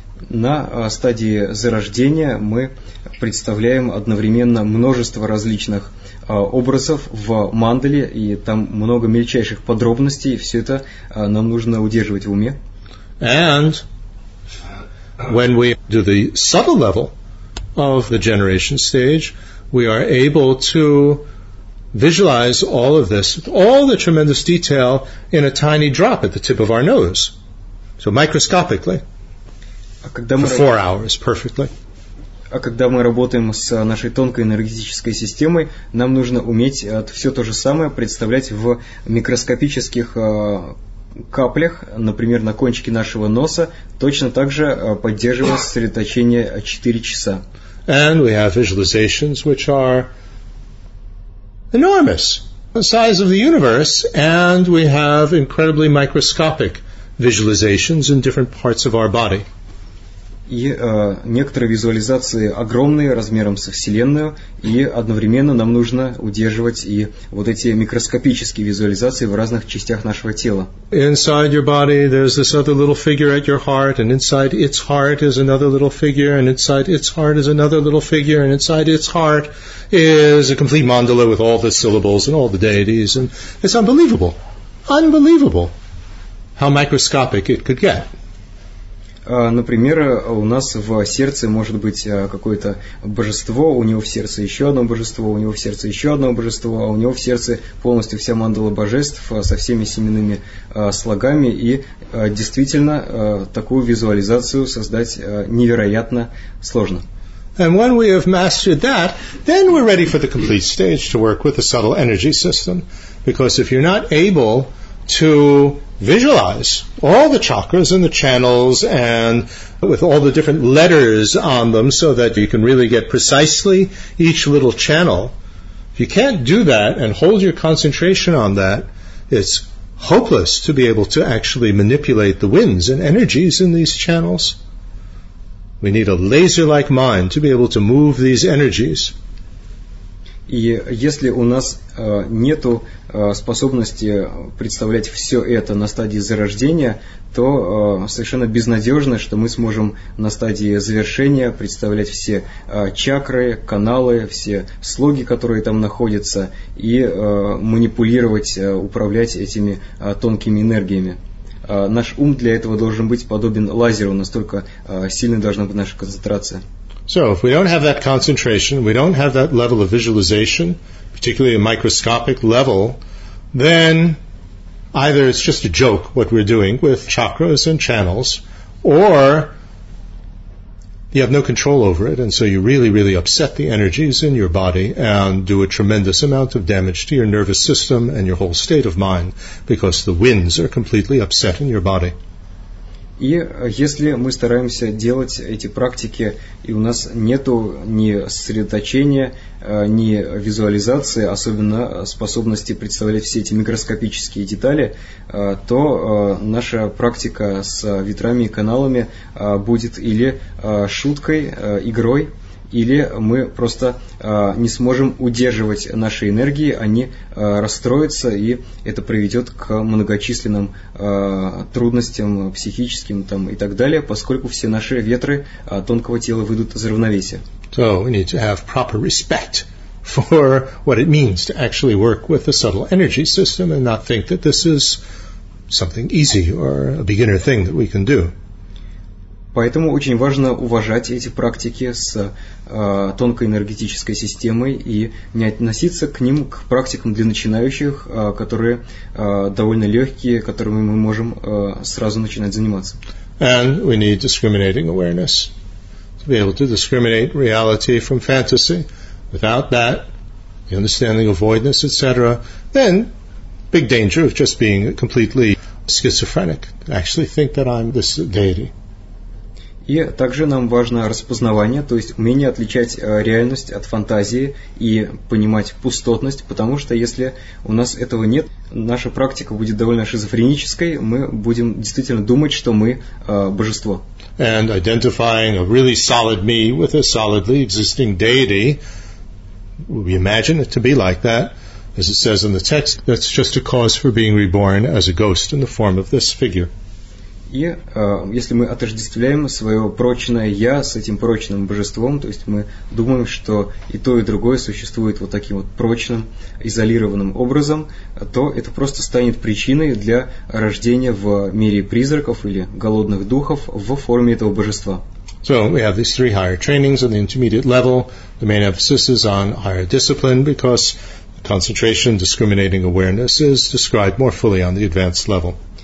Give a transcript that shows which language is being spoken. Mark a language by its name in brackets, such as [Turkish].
[Russian] На стадии зарождения мы представляем одновременно множество различных образов в мандале, и там много мельчайших подробностей, и все это нам нужно удерживать в уме. [English] And when we do the subtle level of the generation stage, we are able to visualize all of this, all the tremendous detail in a tiny drop at the tip of our nose. So microscopically. [Russian] А когда мы работаем с нашей тонкой энергетической системой, нам нужно уметь все то же самое представлять в микроскопических каплях, например, на кончике нашего носа, точно так же поддерживая сосредоточение 4 часа. [English] And we have visualizations which are enormous, the size of the universe, and we have incredibly microscopic visualizations in different parts of our body. [Russian] И некоторые визуализации огромные, размером со Вселенную, и одновременно нам нужно удерживать и вот эти микроскопические визуализации в разных частях нашего тела. [English] Inside your body there's this other little figure at your heart, and inside its heart is another little figure, and inside its heart is another little figure, and inside its heart is a complete mandala with all the syllables and all the deities, and it's unbelievable. Unbelievable how microscopic it could get. [Russian] Например, у нас в сердце может быть какое-то божество, у него в сердце еще одно божество, у него в сердце еще одно божество, а у него в сердце полностью вся мандала божеств со всеми семенными слогами, и действительно такую визуализацию создать невероятно сложно. [English] And when we have mastered that, then we're ready for the complete stage to work with the subtle energy system, because if you're not able to visualize all the chakras and the channels and with all the different letters on them so that you can really get precisely each little channel. If you can't do that and hold your concentration on that, it's hopeless to be able to actually manipulate the winds and energies in these channels. We need a laser-like mind to be able to move these energies. [Russian] И если у нас нету способности представлять все это на стадии зарождения, то совершенно безнадежно, что мы сможем на стадии завершения представлять все чакры, каналы, все слоги, которые там находятся, и манипулировать, управлять этими тонкими энергиями. Наш ум для этого должен быть подобен лазеру, настолько сильной должна быть наша концентрация. [English] So, if we don't have that concentration, we don't have that level of visualization, particularly a microscopic level, then either it's just a joke what we're doing with chakras and channels, or you have no control over it, and so you really, really upset the energies in your body and do a tremendous amount of damage to your nervous system and your whole state of mind, because the winds are completely upset in your body. [Russian] И если мы стараемся делать эти практики, и у нас нету ни сосредоточения, ни визуализации, особенно способности представлять все эти микроскопические детали, то наша практика с ветрами и каналами будет или шуткой, игрой, или мы просто не сможем удерживать наши энергии, они расстроятся, и это приведет к многочисленным трудностям психическим там, и так далее, поскольку все наши ветры тонкого тела выйдут из равновесия. [English] So we need to have proper respect for what it means to actually work with the subtle energy system and not think that this is something easy or a beginner thing that we can do. [Russian] Поэтому очень важно уважать эти практики с тонкой энергетической системой и не относиться к ним, к практикам для начинающих, которые довольно легкие, которыми мы можем сразу начинать заниматься. [English] And we need discriminating awareness to be able to discriminate reality from fantasy. Without that, the understanding of voidness, etc., then big danger of just being completely schizophrenic, actually think that I'm this deity. [Russian] И также нам важно распознавание, то есть умение отличать реальность от фантазии и понимать пустотность, потому что если у нас этого нет, наша практика будет довольно шизофренической, мы будем действительно думать, что мы божество. [English] And identifying a really solid me with a solidly existing deity, we imagine it to be like that, as it says in the text, that's just a cause for being reborn as a ghost in the form of this figure. [Russian] И если мы отождествляем свое прочное «я» с этим прочным божеством, то есть мы думаем, что и то, и другое существует вот таким вот прочным, изолированным образом, то это просто станет причиной для рождения в мире призраков или голодных духов в форме этого божества. [English] So we have these three higher trainings on the intermediate level. The main emphasis is on higher discipline because concentration, discriminating awareness is described more fully on the advanced level.